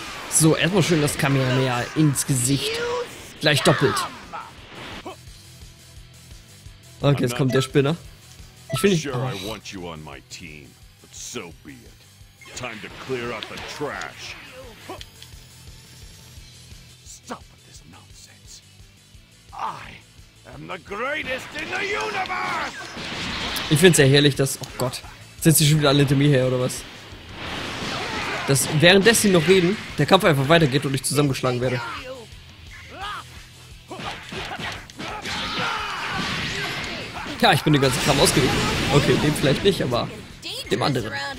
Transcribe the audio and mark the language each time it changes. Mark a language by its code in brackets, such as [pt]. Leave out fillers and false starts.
[de] So, erstmal schön das Kamehameha ins Gesicht. Gleich doppelt. Okay, jetzt kommt der Spinner. Ich finde ihn. [en] Sure, I want you on my team, but so be it. Time to clear out the trash. Stop with this nonsense. I'm the greatest in the universe! [de] Ich find's ja herrlich, dass... Oh Gott, sind sie schon wieder alle hinter mir her, oder was? Dass währenddessen sie noch reden, der Kampf einfach weitergeht und ich zusammengeschlagen werde. Ja, ich bin den ganzen Kram ausgewichen. Okay, dem vielleicht nicht, aber dem anderen.